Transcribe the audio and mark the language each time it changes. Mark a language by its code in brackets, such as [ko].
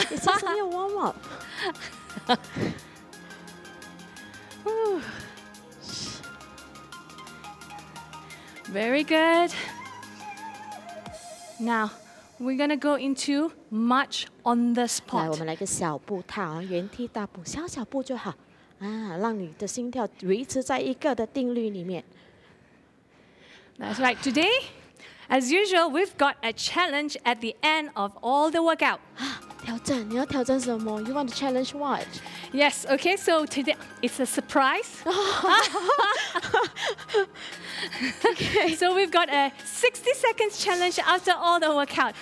[en] It's just only a warm up. Very good. Now, we're going to go into march on the spot. [zh] 来，我们来个小步踏，原地踏步，小小步就好。啊，让你的心跳维持在一个的定律里面。 [en] That's right. Today, as usual, we've got a challenge at the end of all the workout. [zh] 啊，挑战，你要挑战什么? [en] You want to challenge what? Yes, okay, so today, it's a surprise. Okay. So we've got a 60 seconds challenge after all the workout.